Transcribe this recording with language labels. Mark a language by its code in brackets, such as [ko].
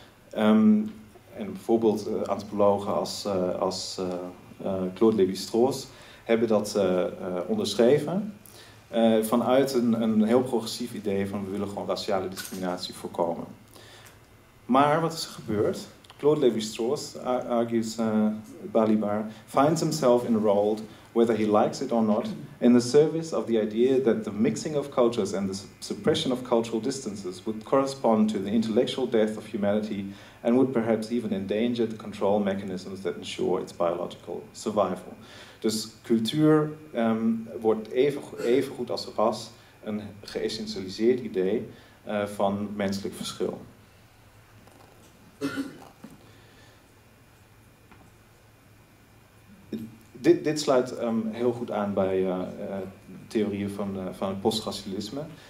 [nl] En bijvoorbeeld antropologen als Claude Lévi-Strauss hebben dat onderschreven. Vanuit een heel progressief idee van we willen gewoon raciale discriminatie voorkomen. Maar wat is er gebeurd? [en] Claude Lévi-Strauss, argues Balibar, finds himself enrolled, whether he likes it or not, in the service of the idea that the mixing of cultures and the suppression of cultural distances would correspond to the intellectual death of humanity and would perhaps even endanger the control mechanisms that ensure its biological survival. [nl] Dus cultuur wordt even goed als ras een geëssentialiseerd idee van menselijk verschil. Dit sluit heel goed aan bij theorieën van het postracialisme.